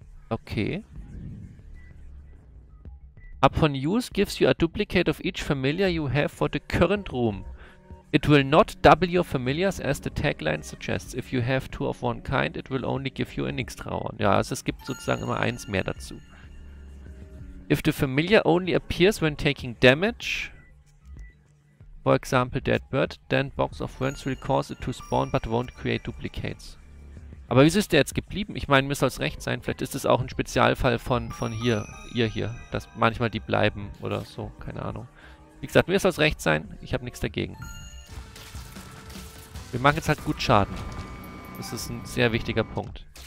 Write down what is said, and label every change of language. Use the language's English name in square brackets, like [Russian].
[English] Okay. Upon use gives you a duplicate of each familiar you have for the current room. It will not double your familiars as the tagline suggests. If you have two of one kind, it will only give you an extra one. [German] Ja, also es gibt sozusagen immer eins mehr dazu. [English] If the familiar only appears when taking damage, for example dead bird, then box of wands will cause it to spawn but won't create duplicates. [German] Aber wieso ist der jetzt geblieben? Ich meine, mir soll es recht sein. Vielleicht ist es auch ein Spezialfall von hier, ihr hier. Dass manchmal die bleiben oder so. Keine Ahnung. Wie gesagt, mir soll es recht sein. Ich habe nichts dagegen. Wir machen jetzt halt gut Schaden. Das ist ein sehr wichtiger Punkt.